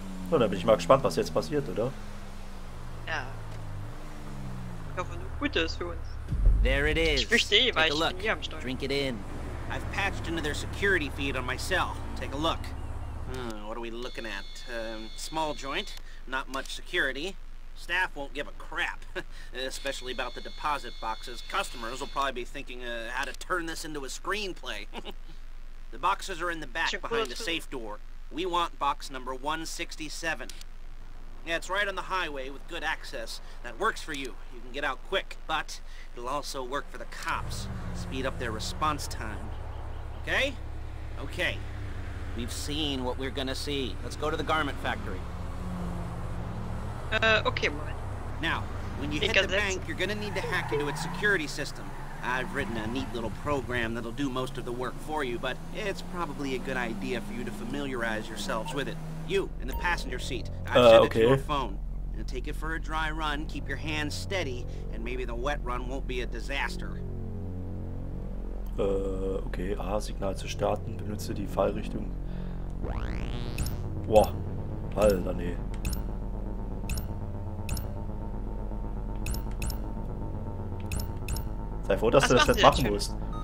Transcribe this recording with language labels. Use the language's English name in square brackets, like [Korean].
[German] So, dann bin ich mal gespannt, was jetzt passiert, oder? Ja. Ich hoffe, nur Gutes für uns. [English] There it is. [German] Ich verstehe, weil ich bin hier am Steuer. [English] Drink it in. I've patched into their security feed on my cell. Take a look. What are we looking at? Small joint, not much security. Staff won't give a crap, especially about the deposit boxes. Customers will probably be thinking how to turn this into a screenplay. The boxes are in the back behind the safe door. We want box number 167. Yeah, it's right on the highway with good access. That works for you. You can get out quick, but it'll also work for the cops. Speed up their response time. Okay? Okay. We've seen what we're gonna see. Let's go to the garment factory. [German] Okay, Moment. [English] Now, when you hit the bank, you're gonna need to hack into its security system. I've written a neat little program that'll do most of the work for you, but it's probably a good idea for you to familiarize yourselves with it. You, in the passenger seat. I've sent it to your phone. Now take it for a dry run, keep your hands steady, and maybe the wet run won't be a disaster. [German] Okay, A-Signal zu starten, benutze die Fallrichtung. Boah, Alter, nee. Sei froh, dass du das nicht machen musst.